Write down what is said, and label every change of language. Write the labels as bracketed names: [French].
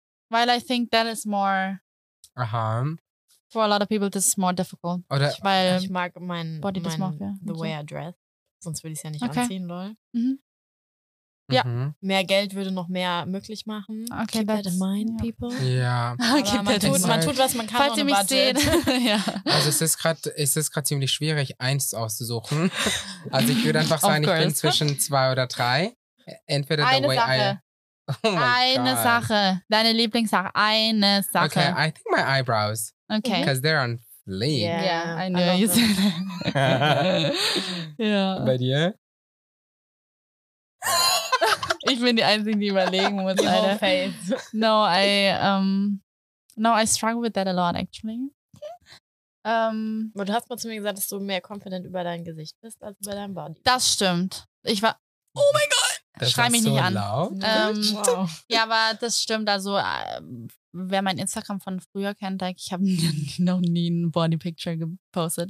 [English] Weil I think that is more for a lot of people this is more difficult. [German] Oder weil ich mag mein [English] Body Dysmorphia, the way I dress. [German] Sonst würde ich es ja nicht anziehen, lol. Mhm. Ja. Mhm. Mehr Geld würde noch mehr möglich machen. Okay, [English] keep that in mind, people. Ja. [German] Okay, man tut, was man kann. Falls ihr mich seht. Ja. Also es ist gerade ziemlich schwierig, eins auszusuchen. Also ich würde einfach sagen, ich bin zwischen zwei oder drei. Entweder Eine [English] the way [German] Sache. [English] I Oh my God. [German] Sache. Deine Lieblingssache. Eine Sache. [English] Okay, I think my eyebrows. Okay. Because they're on fleek. Yeah, I know. You said that. Yeah. [German] Bei dir? Ich bin die Einzige, die überlegen muss. Die Leider. [English] Face. No, I struggle with that a lot, actually. [German] Du hast mal zu mir gesagt, dass du mehr confident über dein Gesicht bist als über dein Body. Das stimmt. Ich war. Oh mein Gott! Schrei mich so nicht an. Laut? Wow. Ja, aber das stimmt. Also, wer mein Instagram von früher kennt, like, ich habe noch nie ein Body-Picture gepostet.